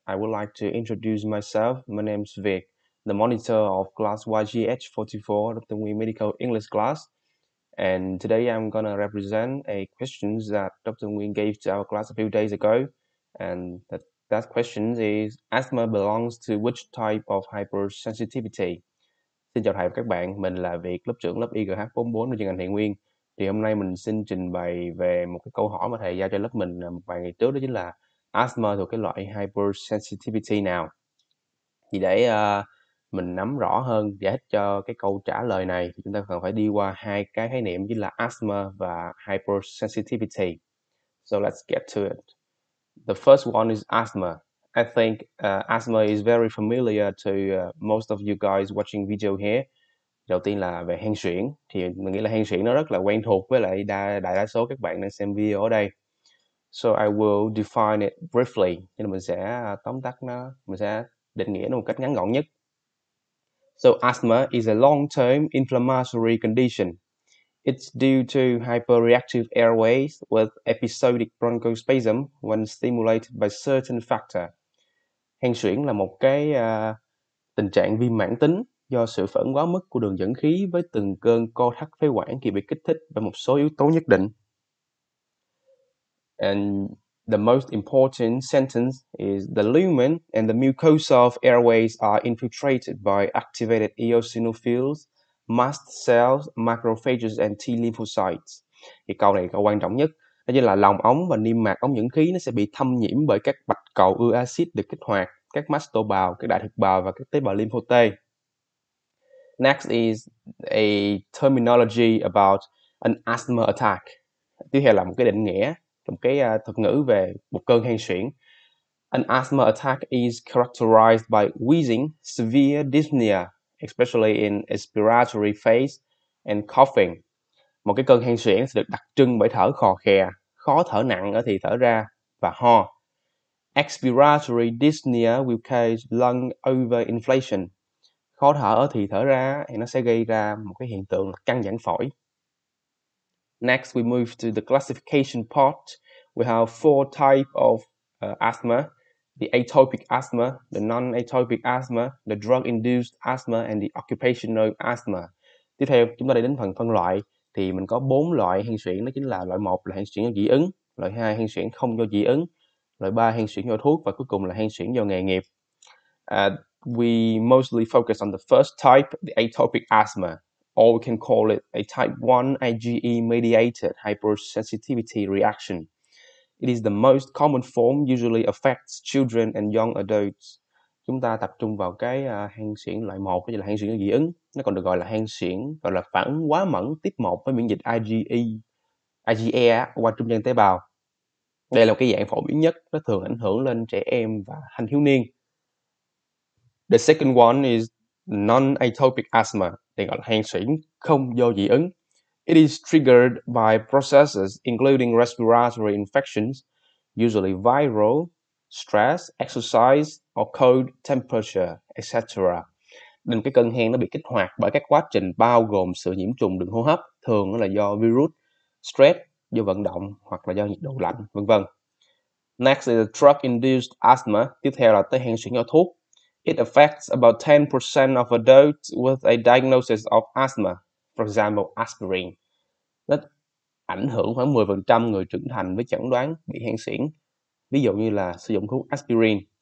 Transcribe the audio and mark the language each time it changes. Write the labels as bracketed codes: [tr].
[en] I would like to introduce myself. My name is Vic, the monitor of class YGH44, the Nguyen Medical English class. And today I'm going to represent a question that Dr. Nguyen gave to our class a few days ago. And that question is, asthma belongs to which type of hypersensitivity? [vi] Xin chào thầy và các bạn, mình là Vic, lớp trưởng lớp YGH44 của trường ngành Thiện Nguyên. Thì hôm nay mình xin trình bày về một cái câu hỏi mà thầy giao cho lớp mình vài ngày trước, đó chính là asthma thuộc cái loại hypersensitivity nào. Thì để mình nắm rõ hơn, giải thích cho cái câu trả lời này, thì chúng ta cần phải đi qua hai cái khái niệm, chính là asthma và hypersensitivity. [en] So let's get to it. The first one is asthma. I think asthma is very familiar to most of you guys watching video here. [vi] Đầu tiên là về hen suyễn, thì mình nghĩ là hen suyễn nó rất là quen thuộc với lại đại đa số các bạn đang xem video ở đây. [en] So I will define it briefly, [vi] nên mình sẽ tóm tắt nó, mình sẽ định nghĩa nó một cách ngắn gọn nhất. [en] So asthma is a long-term inflammatory condition. It's due to hyperreactive airways with episodic bronchospasm when stimulated by certain factor. [vi] Hen suyễn là một cái tình trạng viêm mãn tính do sự phản quá mức của đường dẫn khí với từng cơn co thắt phế quản khi bị kích thích bởi một số yếu tố nhất định. [en] And the most important sentence is the lumen and the mucosa of airways are infiltrated by activated eosinophils, mast cells, macrophages and T lymphocytes. [vi] Thì câu này là câu quan trọng nhất, đó chính là lòng ống và niêm mạc ống dẫn khí nó sẽ bị thâm nhiễm bởi các bạch cầu ưa axit được kích hoạt, các mastobào, các đại thực bào và các tế bào lympho T. [en] Next is a terminology about an asthma attack. [vi] Tiếp theo là một cái định nghĩa, một cái thuật ngữ về một cơn hen suyễn. [en] An asthma attack is characterized by wheezing, severe dyspnea, especially in expiratory phase, and coughing. [vi] Một cái cơn hen suyễn sẽ được đặc trưng bởi thở khò khè, khó thở nặng ở thì thở ra và ho. [en] Expiratory dyspnea will cause lung overinflation. [vi] Khó thở ở thì thở ra thì nó sẽ gây ra một cái hiện tượng là căng giãn phổi. [en] Next we move to the classification part. We have four types of asthma: the atopic asthma, the non-atopic asthma, the drug-induced asthma and the occupational asthma. [vi] Tiếp theo chúng ta đi đến phần phân loại thì mình có bốn loại hen suyễn, đó chính là loại 1 là hen suyễn do dị ứng, loại 2 hen suyễn không do dị ứng, loại 3 hen suyễn do thuốc và cuối cùng là hen suyễn do nghề nghiệp. [en] We mostly focus on the first type, the atopic asthma, or we can call it a type 1 IgE-mediated hypersensitivity reaction. It is the most common form, usually affects children and young adults. [vi] Chúng ta tập trung vào cái hen suyễn loại 1, cái gì là hen suyễn dị ứng. Nó còn được gọi là hen suyễn, gọi là phản ứng quá mẫn tiếp 1 với miễn dịch IgE qua trung gian tế bào. Đây là cái dạng phổ biến nhất, nó thường ảnh hưởng lên trẻ em và thanh thiếu niên. [en] The second one is non-atopic asthma, [vi] tên gọi là hen suyễn không do dị ứng. [en] It is triggered by processes including respiratory infections, usually viral, stress, exercise or cold temperature, etc. [vi] Nên cái cơn hen nó bị kích hoạt bởi các quá trình bao gồm sự nhiễm trùng đường hô hấp, thường là do virus, stress, do vận động hoặc là do nhiệt độ lạnh, vân vân. [en] Next is drug-induced asthma, [vi] tiếp theo là tới hen suyễn do thuốc. [en] It affects about 10% of adults with a diagnosis of asthma, for example, aspirin. [vi] Nó ảnh hưởng khoảng 10% người trưởng thành với chẩn đoán bị hen suyễn, ví dụ như là sử dụng thuốc aspirin.